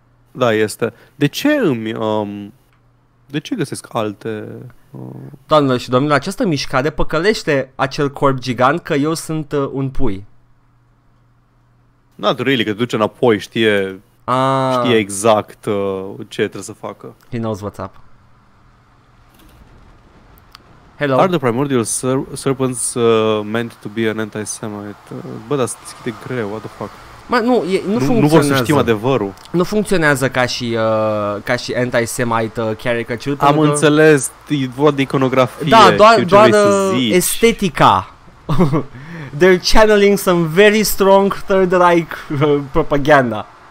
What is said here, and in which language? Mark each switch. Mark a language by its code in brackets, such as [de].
[ro] Da, este. De ce îmi... de ce găsesc alte... Doamnelor și domnilor, această mișcare păcălește acel corp gigant că eu sunt un pui. [en] Not really, [ro] că te duce înapoi, știe... Știe exact ce trebuie să facă. [en] He knows what's up. Hello. Are the primordial serpents meant to be an anti-Semite? [ro] Bă, dar se deschide greu, [en] what the fuck? [ro] Mă, nu funcționează. Nu vor să știm adevărul. Nu funcționează ca și [en] anti-Semite caricature. [ro] Am înțeles, e vorba de iconografie. Da, doar estetica. [en] They're channeling some very strong Third Reich propaganda.